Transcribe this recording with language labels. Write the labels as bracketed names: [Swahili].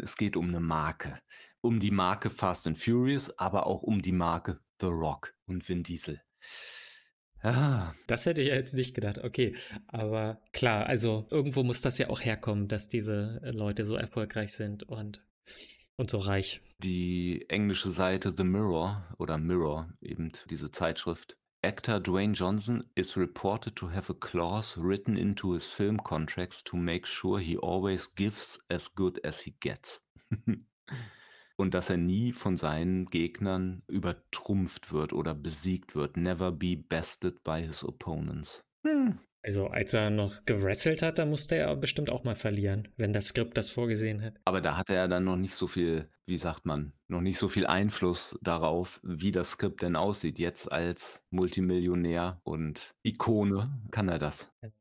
[German] Es geht um eine Marke. Um die Marke Fast and Furious, aber auch um die Marke The Rock und Vin Diesel. Das hätte ich jetzt nicht gedacht. Okay, aber klar, also irgendwo muss das ja auch herkommen, dass diese Leute so erfolgreich sind und so reich. Die englische Seite The Mirror oder Mirror, eben diese Zeitschrift. [English] Actor Dwayne Johnson is reported to have a clause written into his film contracts to make sure he always gives as good as he gets. [German] Und dass er nie von seinen Gegnern übertrumpft wird oder besiegt wird. [English] Never be bested by his opponents. [German] Also als er noch gewrestelt hat, da musste er bestimmt auch mal verlieren, wenn das Skript das vorgesehen hat. Aber da hatte er dann noch nicht so viel, wie sagt man, noch nicht so viel Einfluss darauf, wie das Skript denn aussieht. Jetzt als Multimillionär und Ikone kann er das.